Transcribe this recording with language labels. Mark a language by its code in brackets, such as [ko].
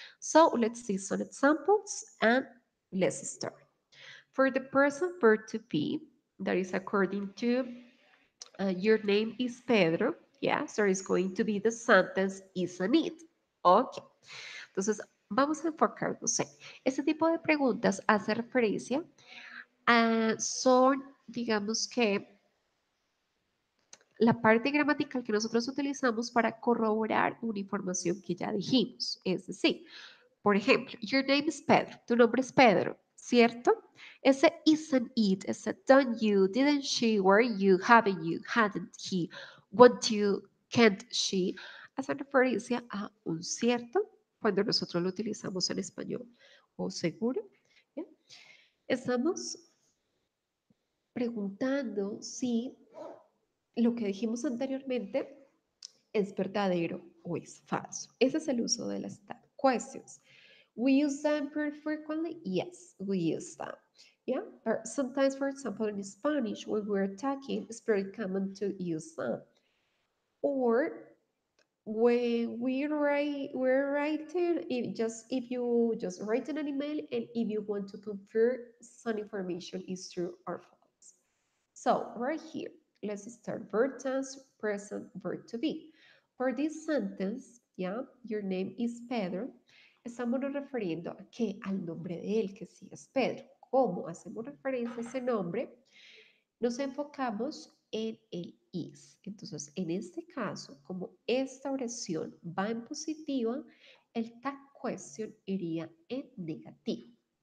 [en] So let's see some examples and let's start. For the present verb to be, that is according to your name is Pedro. Yes, there is going to be the sentence, isn't it? [es] Okay. Entonces, vamos a enfocarnos en. Este tipo de preguntas hace referencia a son, digamos que, la parte gramatical que nosotros utilizamos para corroborar una información que ya dijimos. Es decir, por ejemplo, [en] your name is Pedro. [es] Tu nombre es Pedro. ¿Cierto? Ese [en] isn't it, [es] ese [en] don't you, didn't she, were you, haven't you, hadn't he, won't you, can't she, [es] hace referencia a un cierto cuando nosotros lo utilizamos en español o seguro. ¿Ya? Estamos preguntando si lo que dijimos anteriormente es verdadero o es falso. Ese es el uso de las tag questions. [en] We use them very frequently? Yes, we use them. Yeah, but sometimes, for example, in Spanish, when we're talking, it's very common to use them. Or when we're writing, if you just write an email and if you want to confirm some information is true or false. So right here, let's start verb tense, present verb to be. For this sentence, yeah, your name is Pedro. [es] Estamos nos refiriendo a que al nombre de él, que sí es Pedro. ¿Cómo hacemos referencia a ese nombre? Nos enfocamos en el is. Entonces, en este caso, como esta oración va en positiva, el tag question iría en negativo.